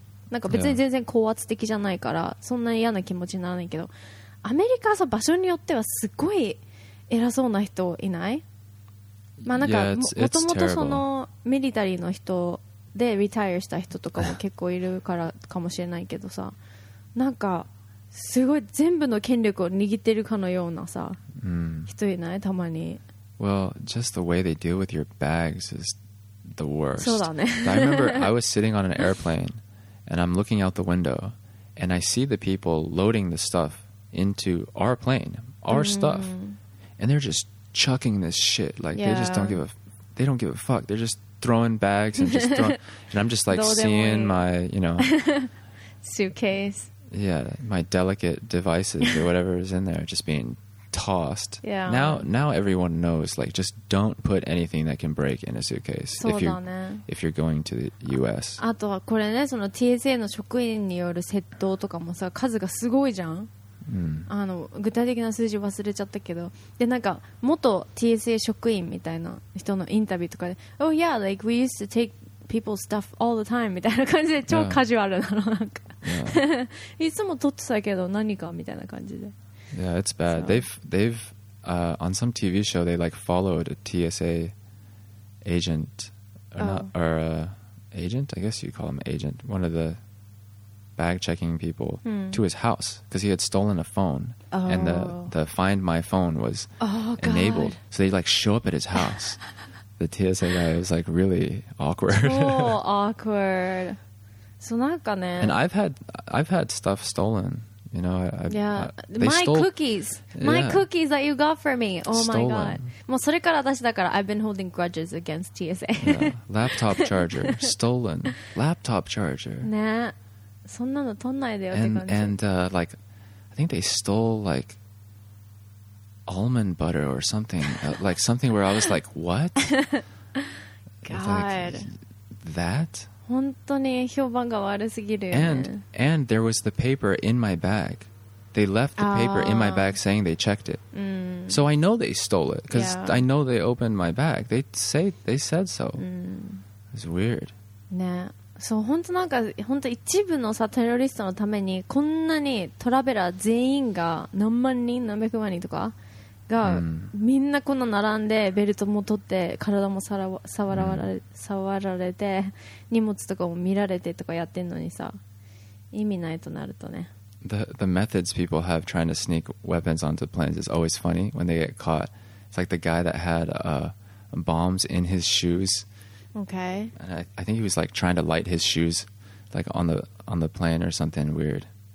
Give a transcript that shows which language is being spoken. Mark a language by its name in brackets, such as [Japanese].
[Japanese] なんか別に全然高圧的じゃないから、yeah. そんなに嫌な気持ちにならないけど、アメリカはさ場所によってはすごい偉そうな人いない？まあなんか [English] yeah, it's [Japanese] もともとそのミリタリーの人でリタイアした人とかも結構いるからかもしれないけどさ、なんかすごい全部の権力を握ってるかのようなさ、人いない？たまに。 [English] Well, just the way they deal with your bags is the worst. [Japanese] そうだね。 [English] I remember I was sitting on an airplane and I'm looking out the window and I see the people loading the stuff into our plane, our stuff. And they're just chucking this shit. Like, yeah. They don't give a fuck. They're just throwing bags and just throwing... and I'm just like seeing my, you know... suitcase. Yeah, my delicate devices or whatever is in there just being... tossed. Yeah. Now everyone knows, like, just don't put anything that can break in a suitcase if you're going to the U.S. [Japanese] あとはこれね、その TSA の職員による窃盗とかもさ、数がすごいじゃん。あの、具体的な数字忘れちゃったけど、で、なんか元 TSA 職員みたいな人のインタビューとかで、 [English] Oh yeah, like we used to take people's stuff all the time [Japanese] みたいな感じで超カジュアルなの、なんか、 [English] yeah. [Japanese] いつも取ってたけど何かみたいな感じで。 [English] Yeah, it's bad. So. They've on some TV show they like followed a TSA agent agent, I guess you call him agent, one of the bag checking people to his house because he had stolen a phone and the Find My Phone was enabled. So they like show up at his house. The TSA guy was like really awkward. Oh, awkward. So [Japanese] なんかね. [English] And I've had stuff stolen. You know, my cookies that you got for me. Oh my god. [Japanese] もうそれから私だから [English] I've been holding grudges against TSA. Yeah. Laptop charger stolen. Laptop charger. [Japanese] ね、そんなの取んないでよって感じ。 [English] And like, I think they stole like almond butter or something, like something where I was like, what? God. Like, that? [Japanese] 本当に評判が悪すぎるよね。 [English] And there was the paper in my bag. They left the paper in my bag saying they checked it. So I know they stole it because I know they opened my bag. They said so. It's weird. [Japanese] ね。そう、本当なんか、本当一部のさ、テロリストのためにこんなにトラベラー全員が何万人、何百万人とかがみんなこんな並んでベルトも取って体もさら触られて荷物とかも見られてとかやってんのにさ意味ないとなるとね [English] the methods people have trying to sneak weapons onto planes is always funny when they get caught. It's like the guy that had bombs in his shoes. Okay. And I think he was like trying to light his shoes like on the plane or something weird.